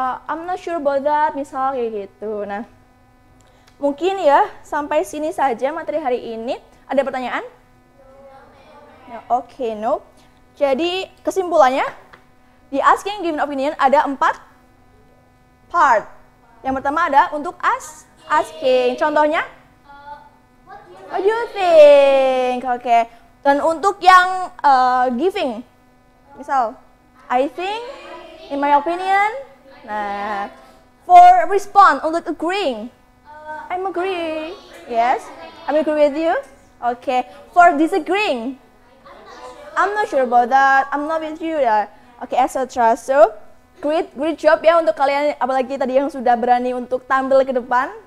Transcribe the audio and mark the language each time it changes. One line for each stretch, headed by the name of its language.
English: I'm not sure about that,
Indonesian: misal kayak gitu. Nah, mungkin ya sampai sini saja materi hari ini. Ada pertanyaan?
English: No. Okay, no.
Indonesian: Jadi kesimpulannya, di asking giving opinion ada 4 part. Yang pertama ada untuk asking. Contohnya?
English: What do you think? Okay.
Indonesian: Dan untuk yang
English: giving, misal, I think, in my opinion. Nah, for respond untuk agreeing, I'm agree. Yes, I'm agree with you. Okay, for disagreeing, I'm not sure about that. I'm not with you. Yeah. Okay, as a trust. So, great job
Indonesian: ya untuk kalian. Apalagi tadi yang sudah berani untuk tampil ke depan.